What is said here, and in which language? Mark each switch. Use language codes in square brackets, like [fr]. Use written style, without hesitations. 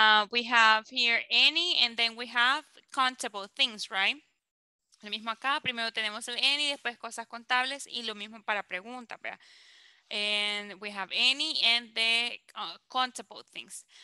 [en] We have here any, and then we have countable things, right? [es] Lo mismo acá. Primero tenemos el any, después cosas contables, y lo mismo para preguntas. [en] And we have any and the countable things.